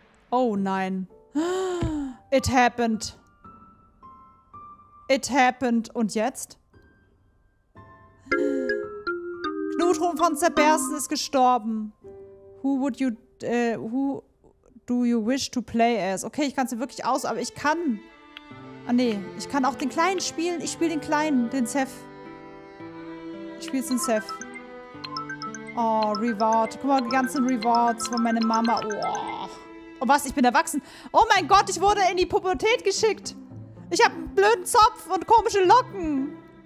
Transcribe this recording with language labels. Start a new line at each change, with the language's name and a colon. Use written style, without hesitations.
German: Oh nein.
English: It happened. It happened.
German: Und jetzt? Knutrum von Zerbersten ist gestorben.
English: Who would you, who do you wish to play as?
German: Okay, ich kann sie wirklich aus, aber ich kann. Ah nee, ich kann auch den Kleinen spielen. Ich spiele den Kleinen, den Seth. Ich spiele den Seth. Oh, Reward. Guck mal, die ganzen Rewards von meiner Mama. Oh. Oh was, ich bin erwachsen. Oh mein Gott, ich wurde in die Pubertät geschickt. Ich habe einen blöden Zopf und komische Locken.